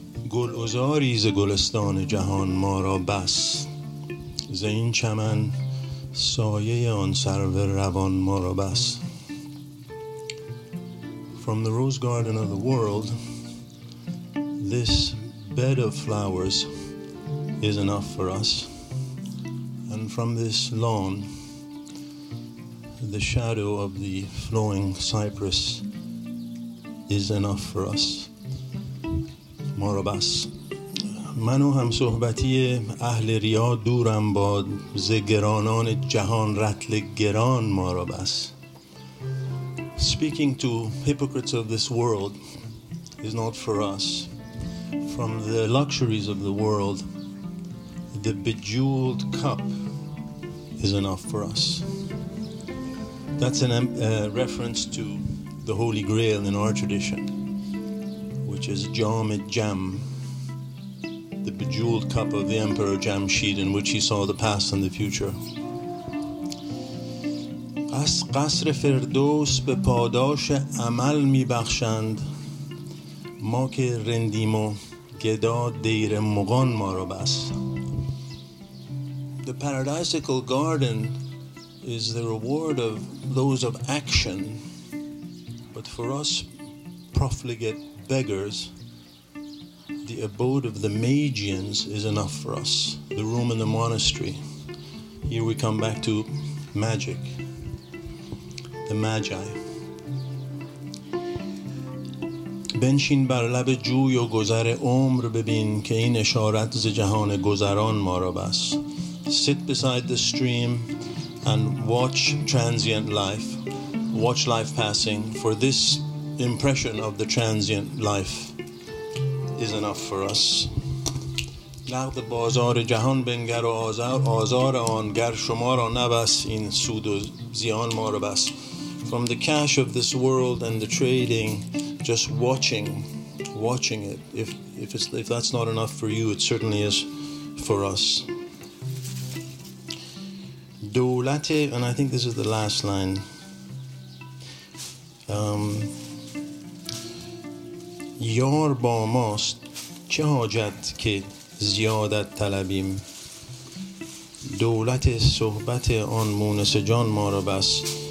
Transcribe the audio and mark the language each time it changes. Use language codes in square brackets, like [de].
[fa] گلعذاری ز گلستان جهان ما را بس، ز این چمن سایه آن سرو روان ما را بس. [en] From the rose garden of the world, this bed of flowers is enough for us. And from this lawn, the shadow of the flowing cypress is enough for us. [fa] ما را بس. من و همصحبتی اهل ریا دورم باد، ز گرانان جهان رطل گران ما را بس. [en] Speaking to hypocrites of this world is not for us. From the luxuries of the world, the bejeweled cup is enough for us. That's a reference to the Holy Grail in our tradition, which is Jam Jam, the bejeweled cup of the Emperor Jamshid, in which he saw the past and the future. [fa] از قصر فردوس به پاداش عمل می بخشند، ما که رندیم و گدا دیر مغان ما را بس. [en] The paradisical garden is the reward of those of action, but for us profligate beggars, the abode of the Magians is enough for us, the room in the monastery. Here we come back to magic, the magi. [fa] بنشین بر لب جوی و گذر عمر ببین، که این اشارت ز جهان گذران ما را بس. [en] Sit beside the stream and watch transient life, watch life passing, for this impression of the transient life is enough for us. [fa] نقد بازار جهان بنگر و آزار آن، گر شما را نبس این سود و زیان ما را بس. [en] From the cash of this world and the trading, just watching it, if that's not enough for you, it certainly is for us. دولت، and I think this is the last line. [fa] یار با ماست چه حاجت که زیادت طلبیم، دولت صحبت آن مونس جان ما را بس.